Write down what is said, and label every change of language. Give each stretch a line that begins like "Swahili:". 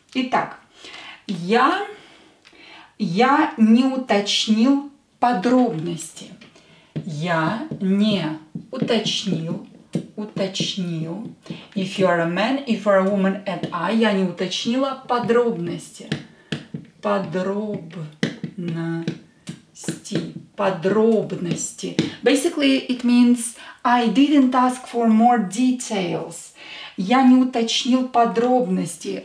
Russian: Итак, я не уточнил подробности. Я не уточнил, уточнил.
English: If you are a man, if you are a woman, add I.
Russian: Я не уточнила подробности. Подробности. Подробности.
English: Basically, it means I didn't ask for more details.
Russian: Я не уточнил подробности.